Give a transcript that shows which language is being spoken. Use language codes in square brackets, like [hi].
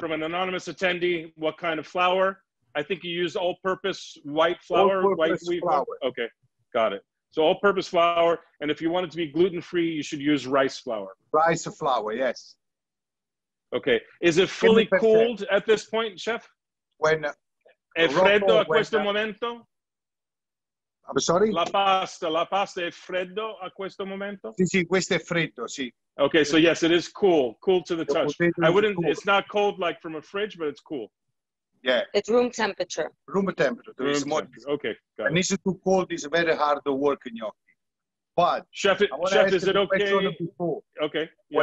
[en] From an anonymous attendee, what kind of flour? I think you use all-purpose white flour. All-purpose white wheat flour. Okay, got it. So all-purpose flour, and if you want it to be gluten-free, you should use rice flour. Rice flour, yes. Okay. Is it fully cooled at this point, chef? When [it] è freddo a questo momento? [en] I'm sorry? [it] La pasta è freddo a questo momento? Sì, sì, questo è freddo, sì. [en] Okay, so yes, it is cool. Cool to the touch. I wouldn't, it's not cold like from a fridge, but it's cool. Yeah. It's room temperature. Room temperature. There room is more. Okay, got it. And it's too cold, it's very hard to work in gnocchi. But, Chef, is it okay? Before. Okay. Yeah.